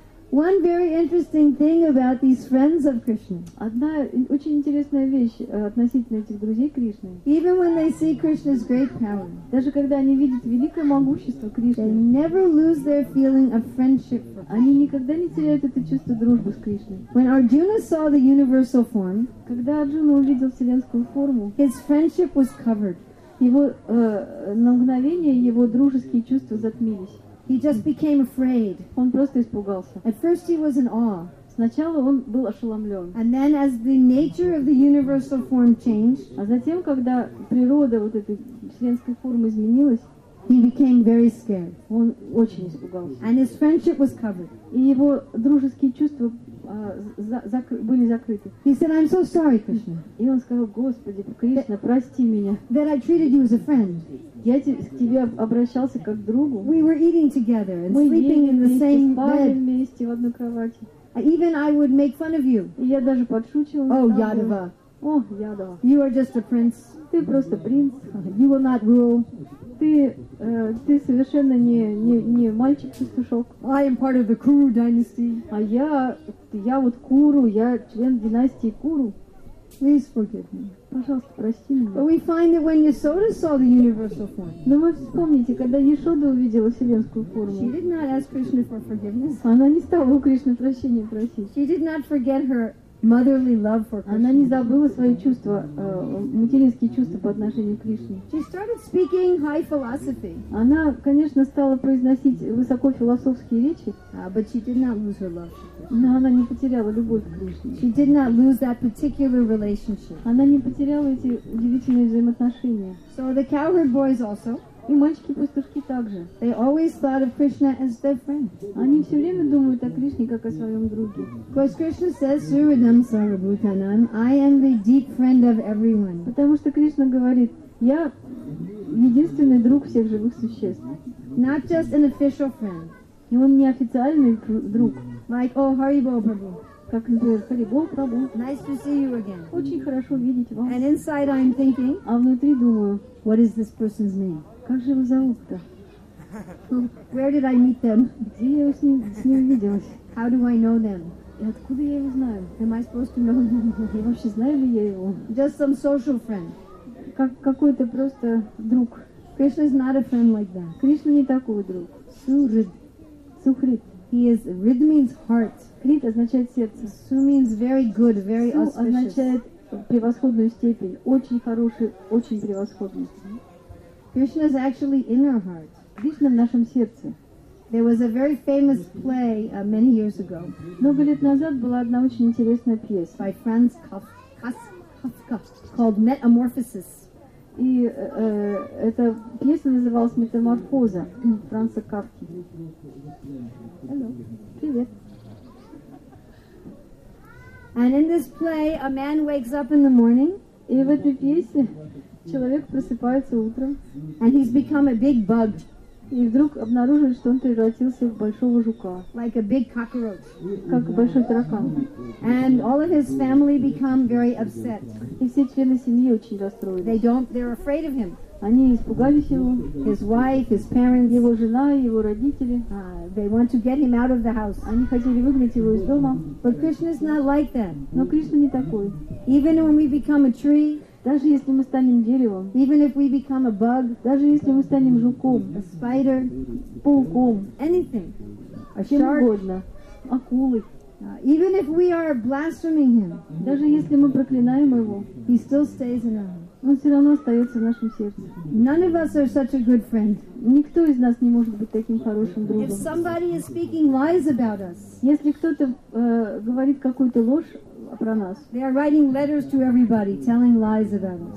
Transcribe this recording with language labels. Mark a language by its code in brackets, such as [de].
[en] One very interesting thing about these friends of Krishna. [ru] Одна очень интересная вещь относительно этих друзей Кришны. [en] Even when they see Krishna's great power, [ru] даже когда они видят великое могущество Кришны, [en] they never lose their feeling of friendship. [ru] Они никогда не теряют это чувство дружбы с Кришной. [en] When Arjuna saw the universal form, [ru] когда Арджуна увидел вселенскую форму, [en] his friendship was covered. [ru] Его на мгновение его дружеские чувства затмились. [en] He just became afraid. [ru] Он просто испугался. [en] At first he was in awe. [ru] Сначала он был ошеломлен. [en] And then as the nature of the universal form changed, [ru] а затем, когда природа вот этой вселенской формы изменилась, [en] he became very scared. [ru] Он очень испугался. [en] And his friendship was covered. [ru] И его дружеские чувства были закрыты. [en] He said, "I'm so sorry, Krishna." [ru] И он сказал, Господи, Кришна, прости меня. [en] That I treated you as a friend. [ru] Я к тебе обращался как к другу. [en] We were eating together and [ru] мы [en] sleeping in the same [ru] спали [en] bed. [ru] Вместе в одной кровати. [en] Even I would make fun of you. [ru] И я даже подшучивал. [en] Oh, Yadava. [ru] О, Yadava. [en] You are just a prince. [ru] Ты просто принц. [en] You will not rule. [ru] Ты совершенно не мальчик-пастушок. [en] I am part of the Kuru dynasty. [ru] А я вот Куру, я член династии Куру. [en] Please forgive me. [ru] Пожалуйста, прости меня. [en] But we find that when Yashoda saw the universal form. [ru] Но вы вспомните, когда Яшода увидела вселенскую форму. [en] She did not ask Krishna for forgiveness. [ru] Она не стала у Кришны прощения просить. [en] She did not forget her motherly love for Krishna. [ru] Она не забыла свои чувства, материнские чувства по отношению к Кришне. [en] She started speaking high philosophy. [ru] Она, конечно, стала произносить высокофилософские речи. [en] But she did not lose her love. [ru] Но она не потеряла любовь к Кришне. [en] She did not lose that particular relationship. [ru] Она не потеряла эти удивительные взаимоотношения. [en] So the cowherd boys also. [ru] И мальчики-пастушки также. [en] They always thought of Krishna as their friend. [ru] Они все время думают о Кришне как о своем друге. [en] Because Krishna says, [sa] "Suridam sarvabhutanam, [en] I am the deep friend of everyone." [ru] Потому что Кришна говорит, я единственный друг всех живых существ. [en] Not just an official friend. [ru] И он не официальный друг. [en] Like, oh, Haribol Prabhu. [ru] Как называется, Haribol Prabhu. [en] Nice to see you again. [ru] Очень хорошо видеть вас. [en] And inside I'm thinking. [ru] А внутри думаю, [en] what is this person's name? [ru] Как же его зовут-то? [en] Where did I meet them? [ru] Где я с ним виделась? [en] How do I know them? [ru] И откуда я его знаю? [en] Am I supposed to know them? [ru] Я вообще знаю ли я его? [en] Just some social friend. [ru] Как какой-то просто друг. [en] Krishna is not a friend like that. [ru] Кришна не такой друг. [sa] Сухрид. Сухрид. [en] He is. Rid means heart. [ru] Крит означает сердце. [en] Су means very good, very [ru] Су [en] auspicious. [ru] Означает превосходную степень, очень хороший, очень превосходный. [en] Krishna is actually in our heart. [ru] Кришна в нашем сердце. [en] There was a very famous play many years ago. [ru] Много лет назад была одна очень интересная пьеса. [en] By Franz Kafka. Called Metamorphosis. [ru] И эта пьеса называлась «Метаморфоза» Франца Кафки. [en] Hello. [ru] Привет. [en] And in this play, a man wakes up in the morning. [ru] И в этой пьесе человек просыпается утром, [en] and he's become a big bug. [ru] И вдруг обнаруживает, что он превратился в большого жука, [en] like a big cockroach. [ru] Как большой таракан. [en] And all of his family become very upset. [ru] И все члены семьи очень расстроены. [en] They don't, they're afraid of him. [ru] Они испугались его. [en] His wife, his parents, [ru] его жена, его родители. [en] They want to get him out of the house. [ru] Они хотели выгнать его из дома. [en] But Krishna's not like that. [ru] Но Кришна не такой. [en] Even when we become a tree. [ru] Даже если мы станем деревом, [en] even if we become a bug, [ru] даже если мы станем жуком, [en] a spider, [ru] пауком, [en] anything, [ru] a чем shark, угодно, акулой, [en] even if we are blaspheming him, [ru] даже если мы проклинаем его, [en] he still stays in our heart. [ru] Он все равно остается в нашем сердце. [en] None of us are such a good friend. [ru] Никто из нас не может быть таким хорошим другом. [en] If somebody is speaking lies about us, [ru] если кто-то говорит какую-то ложь про нас. [en] They are writing letters to everybody, telling lies about us.